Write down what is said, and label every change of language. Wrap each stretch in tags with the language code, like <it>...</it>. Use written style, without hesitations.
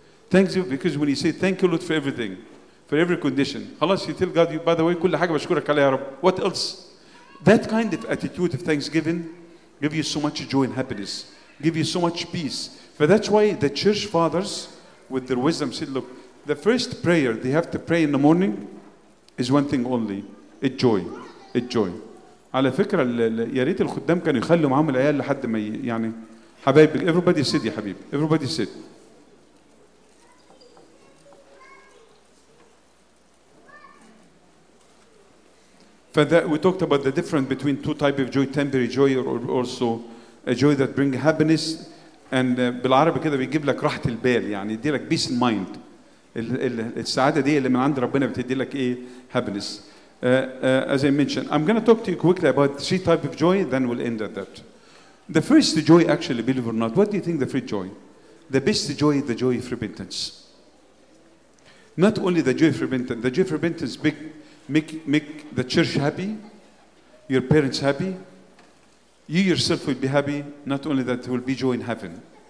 <en>Thanks you because when you say thank you Lord for everything, for every condition, خلاص you tell God, by the way,</en> <ar>كل حاجة بشكرك عليها يا رب.</ar> <en>What else? That kind of attitude of thanksgiving give you so much joy and happiness, give you so much peace. But that's why the church fathers with their wisdom said, look, the first prayer they have to pray in the morning is one thing only, it's joy. It's joy.</en> <ar>على فكرة يا ريت الخدام كانوا يخلوا معهم العيال لحد ما يعني حبايب</ar> <en>everybody sit</en> <ar>يا حبيب everybody sit.</ar> <en>فذا we talked about the difference between two types of joy, temporary joy or also a joy that bring happiness and</en> <ar>بالعربي كده بيجيب لك راحة البال يعني يدي لك</ar> <en>peace in mind.</en> <ar>السعادة دي اللي من عند ربنا بتدي لك ايه happiness.</ar> <en>As I mentioned, I'm going to talk to you quickly about three types of joy then we'll end at that. The first joy, actually, believe it or not, what do you think the first joy? The best joy is the joy of repentance. Not only the joy of repentance. The joy of repentance make the church happy, your parents happy, you yourself will be happy, not only that, there will be joy in heaven.</en>